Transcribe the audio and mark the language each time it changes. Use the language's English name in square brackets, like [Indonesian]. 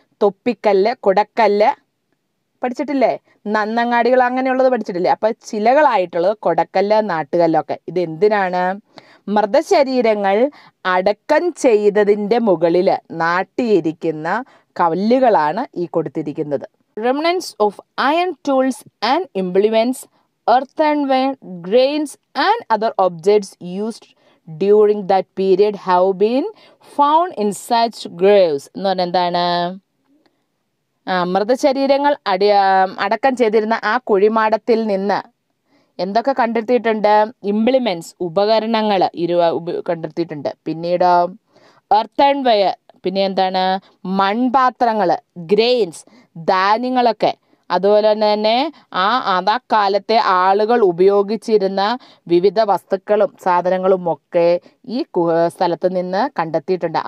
[Malayalam] തൊപ്പിക്കല്ല്, കൊടക്കല്ല് പഠിച്ചിട്ടില്ലേ. നന്നങ്ങാടികൾ അങ്ങനെയുള്ളത് പഠിച്ചിട്ടില്ലേ. അപ്പോൾ ചിലകളായിട്ടുള്ളത് കൊടക്കല്ല്, നാട്ടുകല്ലൊക്കെ. ഇതെന്തിനാണ്? മൃതശരീരങ്ങൾ അടക്കം ചെയ്തതിൻ്റെ മുകളിൽ നാട്ടിയിരിക്കുന്ന കല്ലുകളാണ് ഈ കൊടുത്തിരിക്കുന്നത്. [English] Remnants of iron tools and implements earthenware grains and other objects used during that period have been found in such graves. [Malayalam] എന്ന് പറഞ്ഞാൽ എന്താണ്? മൃതശരീരങ്ങൾ അടക്കം ചെയ്തിരുന്ന ആ കുഴിമാടത്തിൽ നിന്ന് എന്തൊക്കെ കണ്ടെത്തിയിട്ടുണ്ട്? ഇംപ്ലിമെൻറ്റ്സ്, ഉപകരണങ്ങൾ കണ്ടെത്തിയിട്ടുണ്ട്. പിന്നീട് earthenware, പിന്നെ എന്താണ്, മൺപാത്രങ്ങൾ, grains, ധാന്യങ്ങളൊക്കെ, അതുപോലെ തന്നെ അതാ കാലത്തെ ആളുകൾ ഉപയോഗിച്ചിരുന്ന വിവിധ വസ്തുക്കളും സാധനങ്ങളും ഒക്കെ ഈ സ്ഥലത്ത് നിന്ന് കണ്ടെത്തിയിട്ടുണ്ട്.